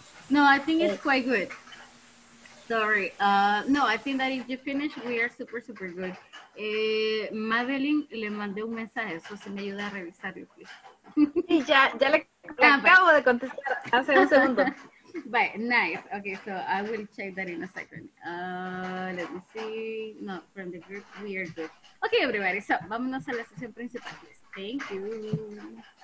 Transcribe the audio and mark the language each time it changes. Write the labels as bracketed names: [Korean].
[English] No, I think it's quite good. Sorry. No, I think that if you finish, we are super, super good. [Spanish] Madeline, le mandé un mensaje. Eso se me ayuda a revisarlo, please. Sí, ya le acabo de contestar hace un segundo. [English] Bye. Nice. Okay, so I will check that in a second. Let me see. No, from the group, we are good. Okay, everybody. [Spanish] So, vámonos a la sesión principal. Thank you.